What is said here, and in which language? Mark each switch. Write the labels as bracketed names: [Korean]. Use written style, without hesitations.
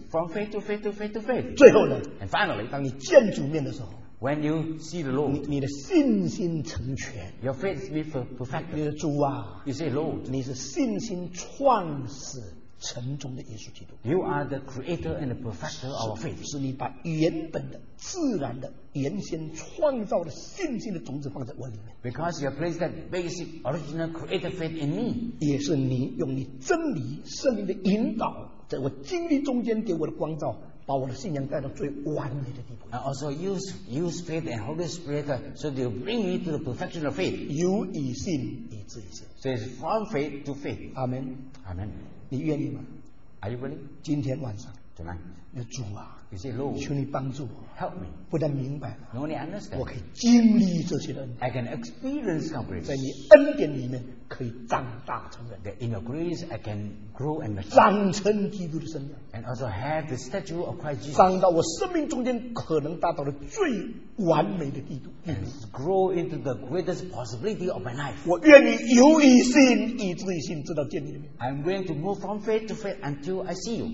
[English] From faith to faith to faith to faith. [Chinese] 最后呢？ [English] And finally, [Chinese] 当你见主面的时候， [English] when you see the Lord, [Chinese] 你的信心成全。 [English] Your faith is being perfected. [Chinese] 你的主啊， [English] you say Lord, [Chinese] 你是信心创始成终的耶稣基督。 [English] You are the creator and the perfecter of our faith. [Chinese] 是你把原本的、自然的。原先创造的信心的种子放在我里面， [English] because you place that basic original creative faith in me， [Chinese] 也是你用你真理圣灵的引导，在我经历中间给我的光照，把我的信仰带到最完美的地步。 [English] And also use faith and Holy Spirit so they bring me to the perfection of faith. [Chinese] 由以信以至以信， [English] so it's from faith to faith. Amen. Amen. [Chinese] 你愿意吗？ [English] Are you willing? [Chinese] 今天晚上 [English] tonight， [Chinese] 主啊， [English] you say, Lord, [Chinese] 求你帮助我， [English] help me， [Chinese] 不但明白了， [English] only understand， [Chinese] 我可以经历这些的恩典， [English] I can experience grace， [Chinese] 在你恩典里面可以长大成人， [English] that in your grace I can grow and mature， [Chinese] 长成基督的身量， [English] and also have the stature of Christ Jesus， [Chinese] 长到我生命中间可能达到的最完美的地步， [English] and grow into the greatest possibility of my life， [Chinese] 我愿意由于信以至于信，直到见你的面， [English] I'm going to move from faith to faith until I see you，